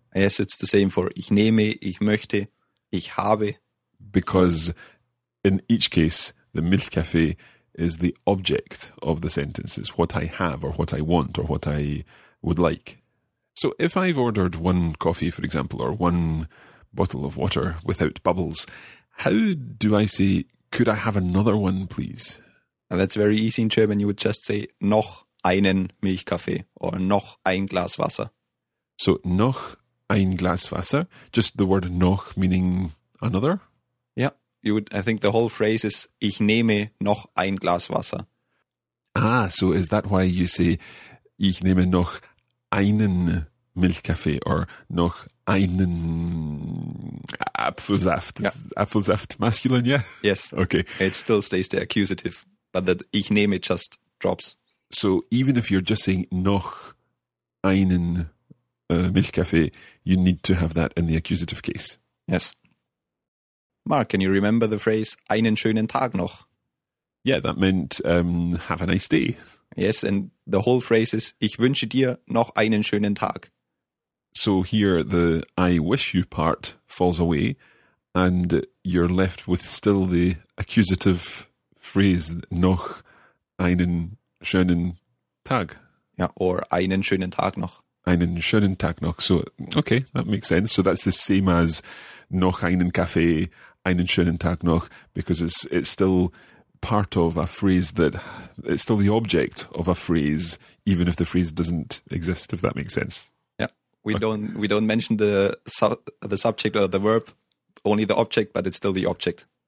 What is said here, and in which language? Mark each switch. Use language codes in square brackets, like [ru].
[de] Yes, it's the same for ich nehme, ich möchte, ich habe. [en] Because in each case, the Milchkaffee is the object of the sentence. It's what I have or what I want or what I would like. So if I've ordered one coffee, for example, or one bottle of water without bubbles, how do I say, could I have another one, please? Now that's very easy in German. [de] You would just say, noch einen Milchkaffee, or noch ein Glas Wasser. [en] So noch ein Glas Wasser, just the word noch meaning another? Yeah, I think the whole phrase is, ich nehme noch ein Glas Wasser. Ah, so is that why you say, ich nehme noch einen Milchkaffee or noch einen Apfelsaft. Yeah. Apfelsaft masculine, yeah? Yes. Okay. It still stays the accusative, but that ich nehme just drops. So even if you're just saying noch einen Milchkaffee, you need to have that in the accusative case. Yes. Mark, can you remember the phrase einen schönen Tag noch? Yeah, that meant have a nice day. Yes, and the whole phrase is, ich wünsche dir noch einen schönen Tag. So here the I wish you part falls away and you're left with still the accusative phrase, noch einen schönen Tag. [de] Yeah, or einen schönen Tag noch. Einen schönen Tag noch. [en] So, okay, that makes sense. So that's the same as noch einen Kaffee, einen schönen Tag noch, because it's still part of a phrase that it's still the object of a phrase, even if the phrase doesn't exist, if that makes sense. Yeah, we don't mention the subject or the verb, only the object, but it's still the object.